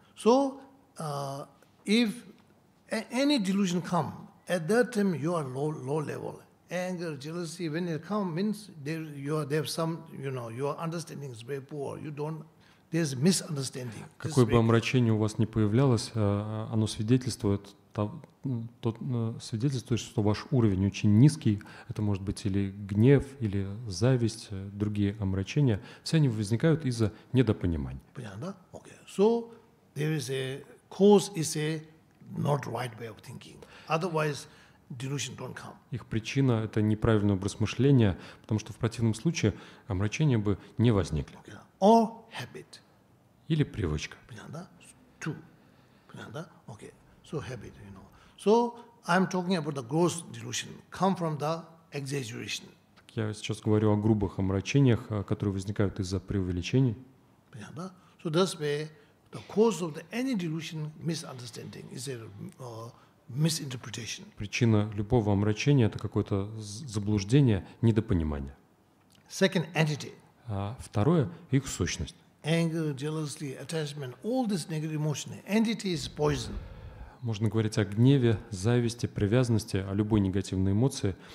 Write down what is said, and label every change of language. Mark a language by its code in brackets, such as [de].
[en] So, if any delusion come, at that time you are low level, anger, jealousy, when it come, means they have some, you know, your understanding is very poor, you don't, there's misunderstanding. [ru] Какое бы омрачение у вас ни появлялось, оно свидетельствует, свидетельствует, что ваш уровень очень низкий. Это может быть или гнев, или зависть, другие омрачения. Все они возникают из-за недопонимания. Понятно, да? Okay. [en] So, there is a cause is a not right way of thinking. Otherwise, delusion don't come. [ru] Их причина – это неправильный образ мышления, потому что в противном случае омрачения бы не возникли. [en] Okay. Or habit. [ru] Или привычка. Понятно, да? [en] Two. Понятно, да? Okay. So habit, you know. So I'm talking about the gross delusion, come from the exaggeration. [ru] Так я сейчас говорю о грубых омрачениях, которые возникают из-за преувеличений. Понятно? [en] So that's where the cause of the any delusion misunderstanding is a misinterpretation. [ru] Причина любого омрачения – это какое-то заблуждение, недопонимание. [en] Second entity. [ru] Второе – их сущность. [en] Anger, jealousy, attachment, all these negative emotions. Entity is poison. [ru] Можно говорить о гневе, зависти, привязанности, о любой негативной эмоции.